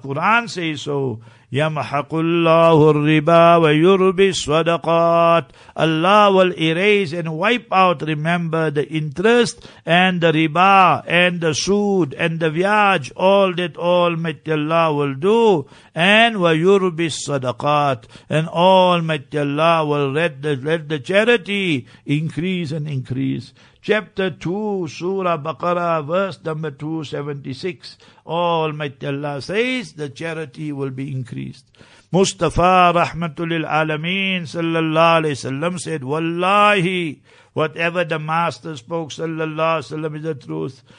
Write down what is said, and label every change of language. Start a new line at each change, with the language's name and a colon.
English: Quran says so.
Arabic: يَمْحَقُ اللَّهُ الرِّبَى وَيُرْبِي الصَّدَقَاتِ.
English: Allah will erase and wipe out, remember, the interest and the riba and the sood and the viage, all that Almighty Allah will do. And
Arabic: وَيُرْبِي الصَّدَقَاتِ.
English: And Almighty Allah will let the charity increase and increase. Chapter 2, Surah Baqarah, verse number 276. Almighty Allah says, the charity will be increased. Mustafa Rahmatulil Alameen sallallahu alayhi wa sallam said, Wallahi, whatever the Master spoke sallallahu alayhi wa sallam is the truth.